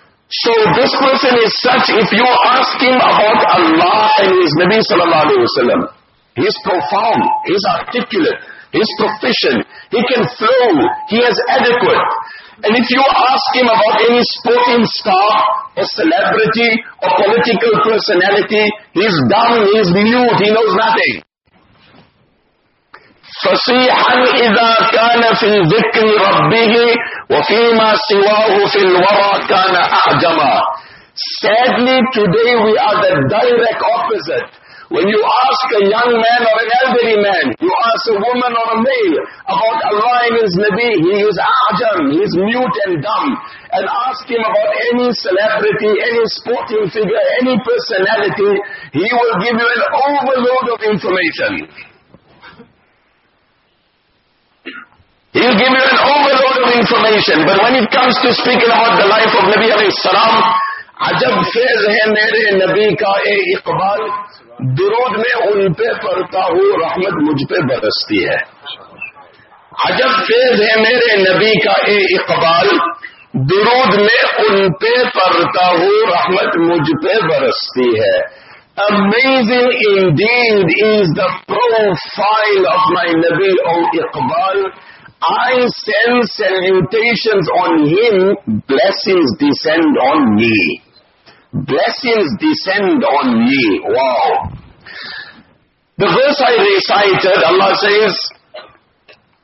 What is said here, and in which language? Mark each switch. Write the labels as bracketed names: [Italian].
[English] So this person is such, if you ask him about Allah and his Nabi sallallahu alayhi wa sallam, He's profound, he's articulate, he's proficient, he can flow, he is adequate. And if you ask him about any sporting star, or celebrity, or political personality, he's dumb, he's mute, he knows nothing. [Arabic] فصيحا اذا كان في الذكر ربه وفيما سواه في الورى كان اعجما. [English] Sadly, today we are the direct opposite. When you ask a young man or an elderly man, you ask a woman or a male about Allah and His Nabi, he is ajam, he is mute and dumb. And ask him about any celebrity, any sporting figure, any personality, he will give you an overload of information. He'll give you an overload of information. But when it comes to speaking about the life of Nabi alayhi salam, [Urdu] عجب فیض ہے میرے نبی کا اے اقبال, درود میں ان پہ پڑھتا ہوں رحمت مجھ پہ برستی ہے. عجب فیض ہے میرے نبی کا اے اقبال, درود میں ان پہ پڑھتا ہوں رحمت مجھ پہ برستی ہے. [English] Amazing indeed is the profile of my Nabi O Iqbal. I send salutations on him, blessings descend on me. Blessings descend on me. Wow. The verse I recited, Allah says,